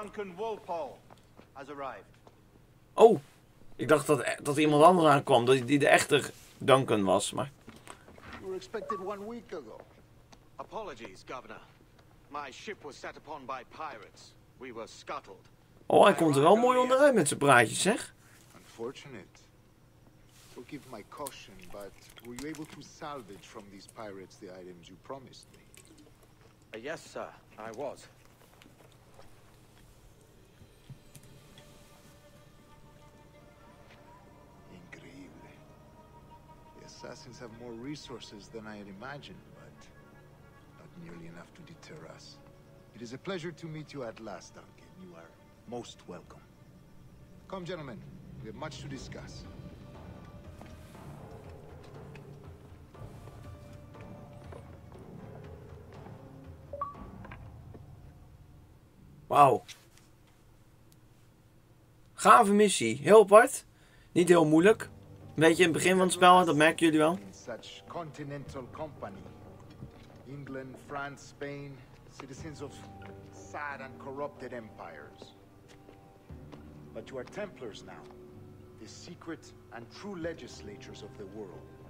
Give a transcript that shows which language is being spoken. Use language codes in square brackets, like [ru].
[en] Duncan Walpole has arrived. [nl] Oh, ik dacht dat er iemand anders aankwam, dat die de echte Duncan was, maar. [en] You were expected 1 week ago. Apologies, Governor. My ship was set upon by pirates. We were scuttled. [nl] Oh, hij komt er wel mooi onderuit met zijn praatjes, zeg. [en] Unfortunate. Forgive my caution, but were you able to salvage from these pirates the items you promised me? Yes, sir, I was. Incredible. The assassins have more resources than I had imagined, but not nearly enough to deter us. It is a pleasure to meet you at last, Duncan. You are most welcome. Come, gentlemen, we have much to discuss. [nl] Wauw. Gave missie. Heel apart. Niet heel moeilijk. Een beetje in het begin van het spel, dat merken jullie wel. [en] Such continental company. England, France, Spain, citizens of sad and corrupted empires. But you are Templars now. The secret and true legislators of the world.